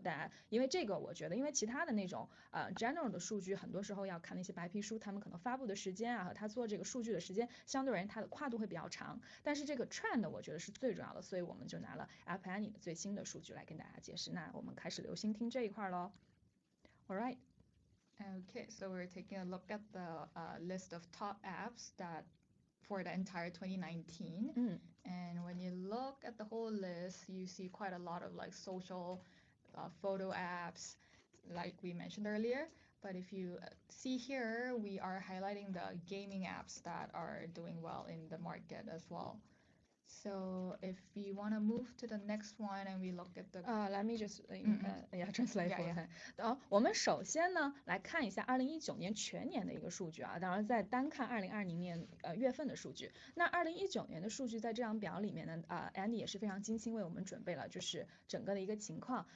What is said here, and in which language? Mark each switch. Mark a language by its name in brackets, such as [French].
[Chinese] 大家因为这个，我觉得因为其他的那种general 的数据，很多时候要看那些白皮书，他们可能发布的时间啊和他做这个数据的时间，相对而言它的跨度会比较长。但是这个 trend 我觉得是最重要的，所以我们就拿了 App Annie 的最新的数据来跟大家解释。那我们开始留心听这一块喽。 [English] Alright. Okay, so we're taking a look at the list of top apps that for the entire 2019. And when you look at the whole list, you see quite a lot of like social photo apps, like we mentioned earlier. But if you see here, we are highlighting the gaming apps that are doing well in the market as well. So if you want to move to the next one and we look at the let me just translate for that. [Chinese] 我们首先呢来看一下2019年全年的一个数据啊，当然再单看2020年月份的数据。那2019年的数据在这张表里面呢，Andy 也是非常精心为我们准备了，就是整个的一个情况。